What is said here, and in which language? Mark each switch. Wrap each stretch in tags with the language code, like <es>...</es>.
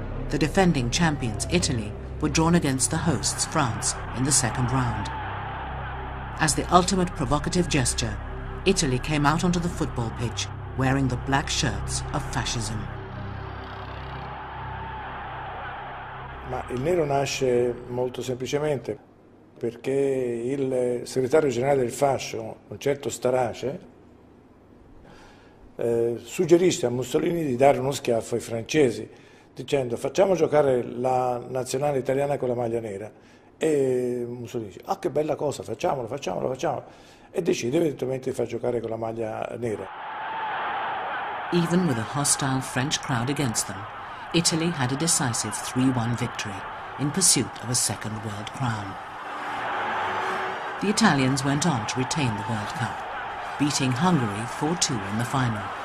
<en>The defending champions, Italy, were drawn against the hosts, France, in the second round. As the ultimate provocative gesture, Italy came out onto the football pitch wearing the black shirts of fascism.</en> <it>Ma il nero nasce molto semplicemente perché il segretario generale del fascio, un certo Starace, suggerisce a Mussolini di dare uno schiaffo ai francesi, dicendo facciamo giocare la nazionale italiana con la maglia nera. E Mussolini dice, ah che bella cosa, facciamolo, facciamolo, facciamolo. E decide evidentemente di far giocare con la maglia nera.</it> <en>Even with a hostile French crowd against them, Italy had a decisive 3-1 victory in pursuit of a second world crown. The Italians went on to retain the World Cup, beating Hungary 4-2 in the final.</en>